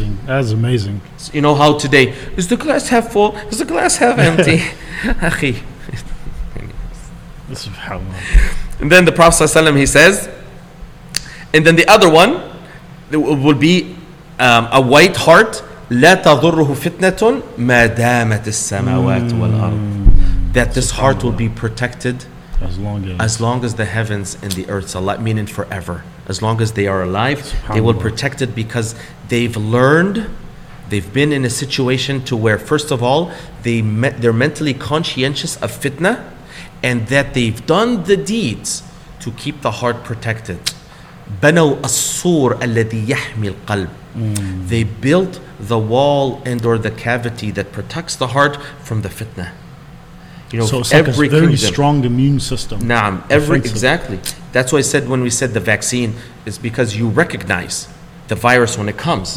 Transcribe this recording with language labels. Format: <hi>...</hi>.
<en>Amazing. That's amazing. So you know how today, is the glass half full? Is the glass half empty? Akhi. SubhanAllah. And then the Prophet ﷺ, he says, and then the other one will be a white heart.</en> <ar>لا تضره فتنة ما دامت السماوات والأرض.</ar> <en>That this heart will be protected as long as the heavens and the earth, Allah, meaning forever. As long as they are alive, they will protect it because they've learned, they've been in a situation to where, first of all, they're mentally conscientious of fitna, and that they've done the deeds to keep the heart protected.</en> <ar>بنوا الصور الذي يحمي القلب.</ar> <en>They built the wall and or the cavity that protects the heart from the fitna. You know, so it's every like a very kingdom, strong immune system. Naam, exactly. That's why I said when we said the vaccine, it's because you recognize the virus when it comes.</en>